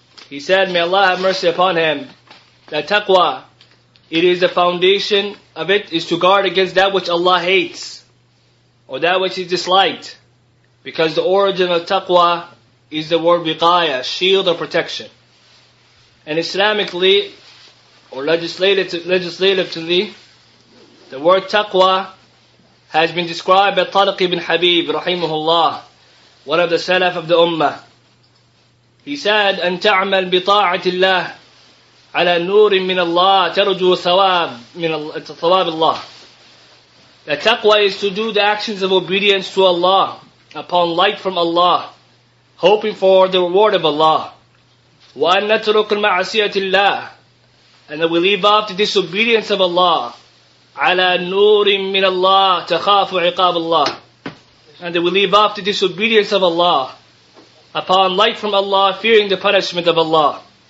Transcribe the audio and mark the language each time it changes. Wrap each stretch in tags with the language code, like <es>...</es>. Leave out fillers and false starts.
<en>He said, may Allah have mercy upon him, that taqwa, it is the foundation of it is to guard against that which Allah hates, or that which is disliked, because the origin of taqwa is the word wiqaya, shield or protection. And Islamically, or legislatively, the word taqwa has been described by Tariq ibn Habib, rahimahullah, one of the salaf of the ummah.</en> <ar>He said, أن تعمل بطاعة الله على نور من الله ترجو ثواب من ثواب الله.</ar> <en>The taqwa is to do the actions of obedience to Allah upon light from Allah, hoping for the reward of Allah.</en> <ar>وأن نترك المعصية لله,</ar> <en>and that we leave off the disobedience of Allah,</en> <ar>على نور من الله تخاف عقاب الله,</ar> <en>and that we leave off the disobedience of Allah upon light from Allah, fearing the punishment of Allah.</en>